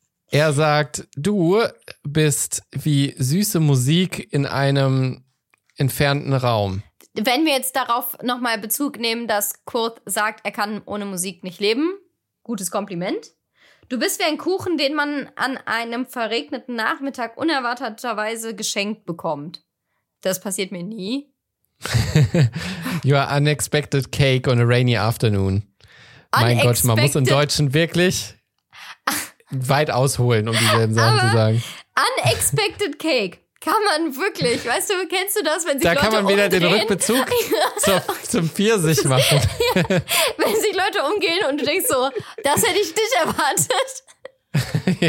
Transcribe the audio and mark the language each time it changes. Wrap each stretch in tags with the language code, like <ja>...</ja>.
<de>Er sagt, du bist wie süße Musik in einem entfernten Raum. Wenn wir jetzt darauf nochmal Bezug nehmen, dass Quoth sagt, er kann ohne Musik nicht leben. Gutes Kompliment. Du bist wie ein Kuchen, den man an einem verregneten Nachmittag unerwarteterweise geschenkt bekommt. Das passiert mir nie.</de> <en>Your unexpected cake on a rainy afternoon.</en> <de>Mein Gott, man muss im Deutschen wirklich weit ausholen, um dieselben Sachen zu sagen.</de> <en>Unexpected cake.</en> <de>Kann man wirklich, weißt du, kennst du das, wenn sich da Leute umdrehen? Da kann man wieder den Rückbezug zum Pfirsich machen. Ja, wenn sich Leute umgehen und du denkst so, das hätte ich nicht erwartet.</de>